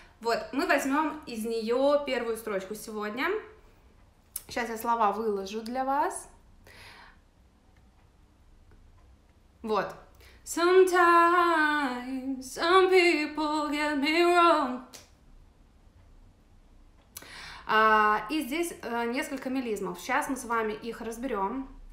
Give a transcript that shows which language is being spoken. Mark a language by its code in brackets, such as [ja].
[ru] Вот, мы возьмем из нее первую строчку сегодня. Сейчас я слова выложу для вас. Вот. [en] Sometimes some people get me wrong. [ru] И здесь несколько мелизмов. Сейчас мы с вами их разберем.